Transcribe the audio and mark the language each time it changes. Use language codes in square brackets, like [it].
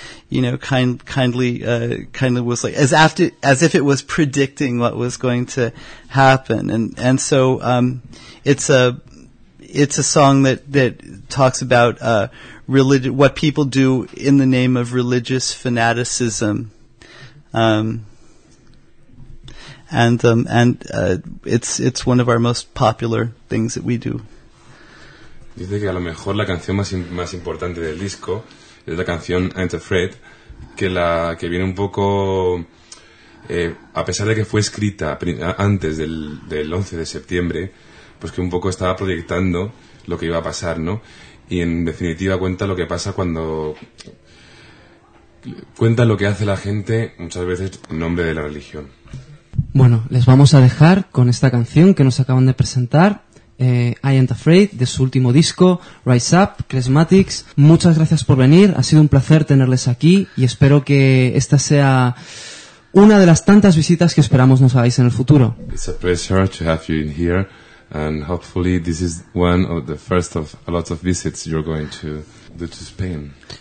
[en] you know, kindly was like as if it was predicting what was going to happen, and so it's a song that talks about what people do in the name of religious fanaticism, it's one of our most popular things that we do. [es] Dice que a lo mejor la canción más importante del disco es la canción Ain't Afraid, que viene un poco, a pesar de que fue escrita antes del 11 de septiembre, pues que un poco estaba proyectando lo que iba a pasar, ¿no? Y en definitiva cuenta lo que pasa cuando... cuenta lo que hace la gente, muchas veces, en nombre de la religión. Bueno, les vamos a dejar con esta canción que nos acaban de presentar. I Ain't Afraid, de su último disco Rise Up, Klezmatics. Muchas gracias por venir, ha sido un placer tenerles aquí y espero que esta sea una de las tantas visitas que esperamos nos hagáis en el futuro. [en] It's a pleasure to have you in here and hopefully this is one of the first of a lot of visits you're going to do to Spain.